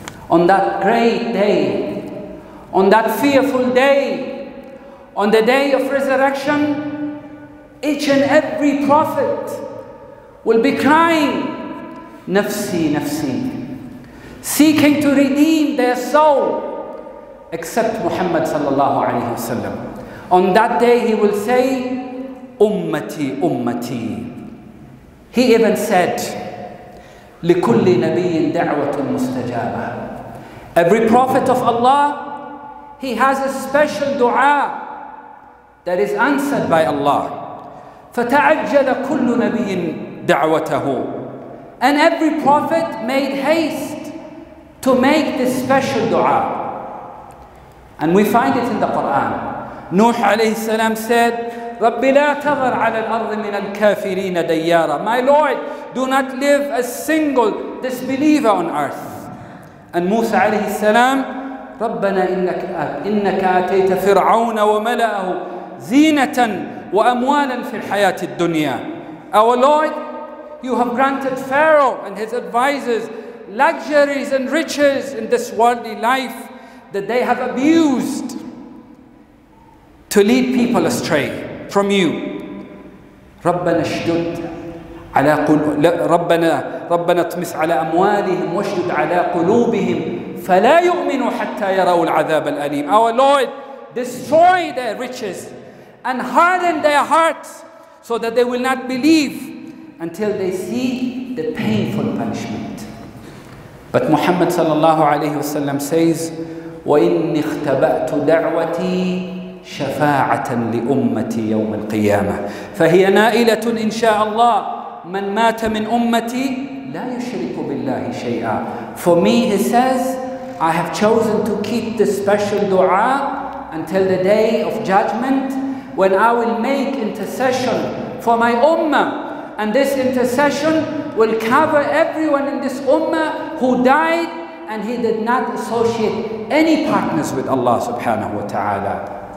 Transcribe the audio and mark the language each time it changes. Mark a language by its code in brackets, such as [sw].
[en] On that great day, on that fearful day, on the day of resurrection, each and every prophet will be crying, Nafsi, Nafsi, seeking to redeem their soul, except Muhammad sallallahu alayhi wasallam. On that day he will say, Ummati, Ummati. He even said, [ar] لكل نبي دعوة مستجابة. [en] Every prophet of Allah, he has a special dua that is answered by Allah. [ar] فتعجل كل نبي دعوته. [en] And every prophet made haste to make this special dua. And we find it in the Quran. [ar] Nuh عليه السلام said, رَبِّ لَا تَذَرْ عَلَى الْأَرْضِ مِنَ الْكَافِرِينَ دَيَّارًا. [en] My Lord, do not leave a single disbeliever on earth. And Musa alayhi salam, [ar] رَبَّنَا إِنَّكَ آتَيْتَ فِرْعَوْنَ وَمَلَأَهُ زِينَةً وَأَمْوَالًا فِي الْحَيَاةِ الدُّنْيَا. [en] Our Lord, you have granted Pharaoh and his advisors luxuries and riches in this worldly life that they have abused to lead people astray from you. [ar] رَبَّنَا اشْدُدْ على قل... ربنا ربنا اطمس على أموالهم واشدد على قلوبهم فلا يؤمنوا حتى يروا العذاب الأليم. [en] Our Lord, destroy their riches and harden their hearts so that they will not believe until they see the painful punishment. But Muhammad sallallahu alayhi wasallam says, [ar] وَإِنِّي اخْتَبَأْتُ دَعْوَتِي شَفَاعَةً لِأُمَّتِي يَوْمَ الْقِيَامَةِ فَهِيَ نَائِلَةٌ إِنْ شَاءَ اللَّهِ مَنْ مَاتَ مِنْ أُمَّتِي لَا يُشْرِكُ بِاللَّهِ شَيْئًا. [en] For me, he says, I have chosen to keep this special dua until the day of judgment, when I will make intercession for my ummah. And this intercession will cover everyone in this ummah who died and he did not associate any partners with Allah subhanahu wa ta'ala.